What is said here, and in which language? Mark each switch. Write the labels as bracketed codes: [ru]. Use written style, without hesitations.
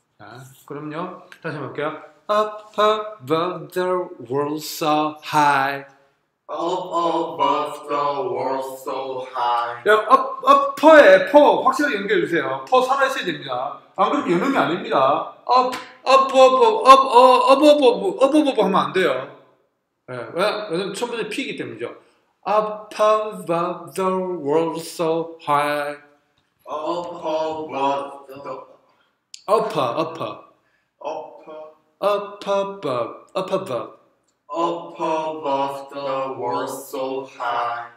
[ko] 자, 그럼요. 다시 한번 볼게요. [en] Up above the world so high. Up above the world so high. [ko] 야, up, up, 퍼에 퍼 확실하게 연결해주세요. 퍼 살아있어야 됩니다. 안 그러면 연음이 아닙니다. [en] Up, up, up, up, up, up, up, up, up, up, up, up [ko] 하면 안 돼요. 네, 왜냐면 처음부터 P이기 때문이죠. [en] Up above the world so high. Up above the... Up, up, up. Up. Up above, up above. Up above the world so high.